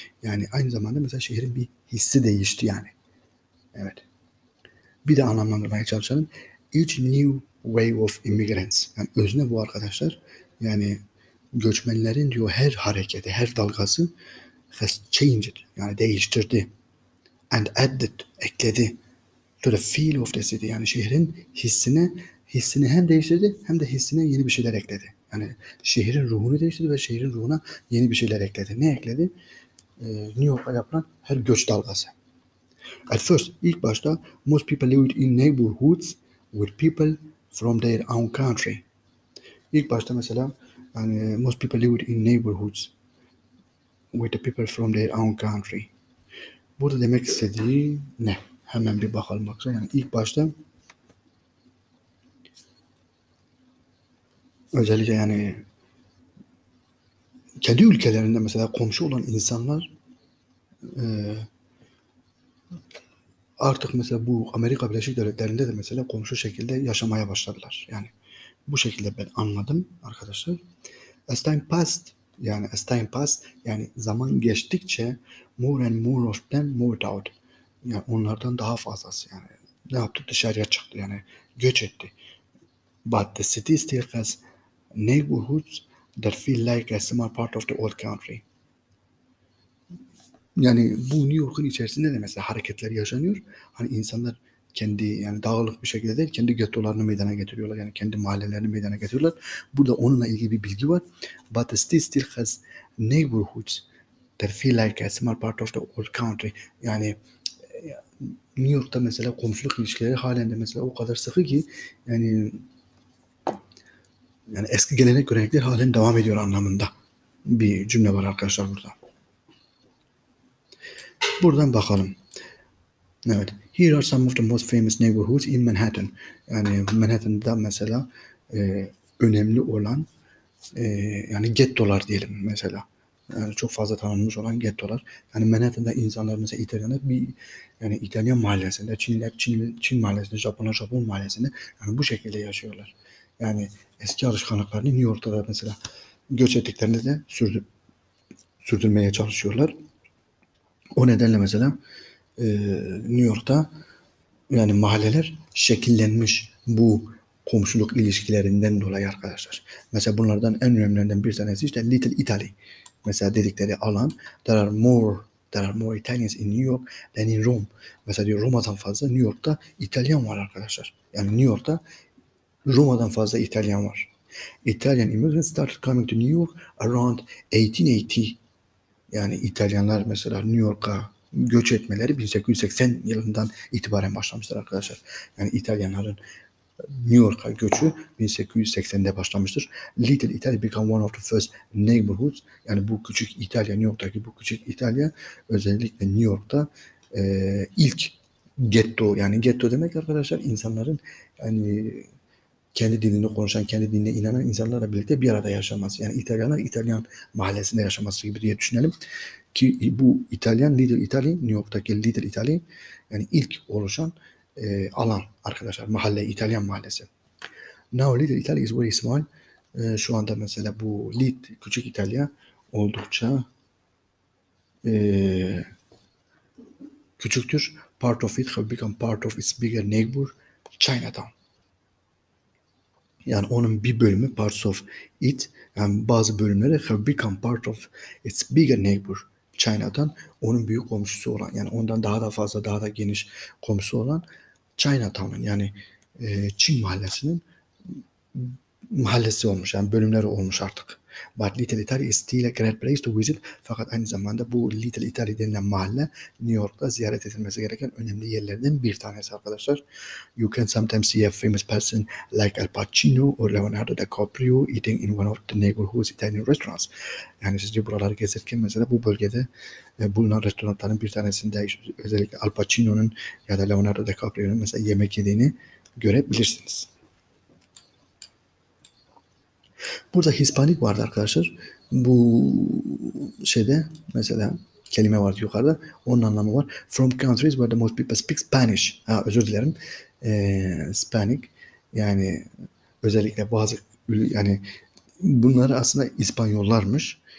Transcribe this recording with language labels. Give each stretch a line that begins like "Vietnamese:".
Turkish: Yani aynı zamanda mesela şehrin bir hissi değişti yani. Evet. Bir de anlamlandırmaya çalışalım.
English: Each new wave of immigrants.
Turkish: Yani özne bu arkadaşlar. Yani göçmenlerin diyor her hareketi, her dalgası
English: has changed,
Turkish: yani değiştirdi.
English: And added,
Turkish: ekledi
English: to the feel of the city.
Turkish: Yani şehrin hissini hem değiştirdi hem de hissine yeni bir şeyler ekledi. Yani şehrin ruhunu değiştirdi ve şehrin ruhuna yeni bir şeyler ekledi. Ne ekledi? New York'a yapılan her göç dalgası.
English: At first,
Turkish: ilk başta
English: most people lived in neighborhoods with people from their own country.
Turkish: İlk başta mesela yani
English: most people lived in neighborhoods with the people from their own country.
Turkish: Burada demek istediği ne? Hemen bir bakalım bakalım. Yani ilk başta özellikle yani kendi ülkelerinde mesela komşu olan insanlar artık mesela bu Amerika Birleşik Devletleri'nde de mesela komşu şekilde yaşamaya başladılar. Yani bu şekilde ben anladım arkadaşlar.
English: As time passed,
Turkish: yani zaman geçtikçe
English: more and more of them moved out.
Turkish: Yani onlardan daha fazlası yani. Ne yaptı? Dışarıya çıktı yani. Göç etti.
English: But the city still has neighborhoods that feel like a small part of the old country.
Turkish: Yani bu New York'un içerisinde de mesela hareketler yaşanıyor. Hani insanlar kendi yani dağılık bir şekilde değil, kendi ghettolarını meydana getiriyorlar. Yani kendi mahallelerini meydana getiriyorlar. Burada onunla ilgili bir bilgi var.
English: But the city still has neighborhoods that feel like a small part of the old country.
Turkish: Yani New York'ta mesela komşuluk ilişkileri halen de mesela o kadar sıkı ki yani eski gelenek görenekler halen devam ediyor anlamında bir cümle var arkadaşlar burada. Buradan bakalım. Evet.
English: Here are some of the most famous neighborhoods in Manhattan.
Turkish: Yani Manhattan'da mesela önemli olan yani gettolar diyelim mesela. Yani çok fazla tanınmış olan gettolar. Yani Manhattan'da insanlar mesela İtalyan'da bir yani İtalyan mahallesinde, Çinliler Çin mahallesinde, Japonlar Japon mahallesinde yani bu şekilde yaşıyorlar. Yani eski alışkanlıklarını New York'ta da mesela göç ettiklerinde de sürdürmeye çalışıyorlar. O nedenle mesela New York'ta yani mahalleler şekillenmiş bu komşuluk ilişkilerinden dolayı arkadaşlar. Mesela bunlardan en önemlilerinden bir tanesi işte Little Italy. Mesela dedikleri alan.
English: There are more There are more Italians in New York than in Rome.
Turkish: Mesela diyor Roma'dan fazla New York'ta İtalyan var arkadaşlar. Yani New York'ta Roma'dan fazla İtalyan var.
English: Italian immigrants started coming to New York around 1880.
Turkish: Yani İtalyanlar mesela New York'a göç etmeleri 1880 yılından itibaren başlamıştır arkadaşlar. Yani İtalyanların New York'a göçü 1880'de başlamıştır.
English: Little Italy became one of the first neighborhoods.
Turkish: Yani bu küçük İtalya, New York'taki bu küçük İtalya özellikle New York'ta ilk ghetto. Yani ghetto demek arkadaşlar insanların yani kendi dilini konuşan, kendi dinine inanan insanlarla birlikte bir arada yaşaması. Yani İtalyanlar İtalyan mahallesinde yaşaması gibi diye düşünelim. Ki bu İtalyan, Little Italy, New York'taki Little Italy yani ilk oluşan alan arkadaşlar. Mahalle, İtalyan mahallesi.
English: Now Little Italy is very small.
Turkish: Şu anda mesela bu Little, küçük İtalya oldukça küçüktür.
English: Part of it have become part of its bigger neighbor, Chinatown.
Turkish: Yani onun bir bölümü,
English: parts of it,
Turkish: yani bazı bölümleri
English: have become part of its bigger neighbor, Chinatown.
Turkish: Onun büyük komşusu olan, yani ondan daha da fazla, daha da geniş komşusu olan Chinatown'ın, yani Çin mahallesinin mahallesi olmuş, yani bölümleri olmuş artık.
English: But Little Italy is still a great place to visit.
Turkish: Fakat aynı zamanda bu Little Italy denilen mahalle New York'ta ziyaret edilmesi gereken önemli yerlerden bir tanesi arkadaşlar.
English: You can sometimes see a famous person like Al Pacino or Leonardo DiCaprio eating in one of the neighborhood's Italian restaurants.
Turkish: Yani siz de buraları gezerken mesela bu bölgede bulunan restoranların bir tanesinde özellikle Al Pacino'nun ya da Leonardo DiCaprio'nun mesela yemek yediğini görebilirsiniz. Burada Hispanik vardı arkadaşlar. Bu şeyde mesela kelime vardı yukarıda. Onun anlamı var.
English: From countries where the most people speak Spanish.
Turkish: Ha, özür dilerim. Hispanik yani özellikle bazı yani bunları aslında İspanyollarmış.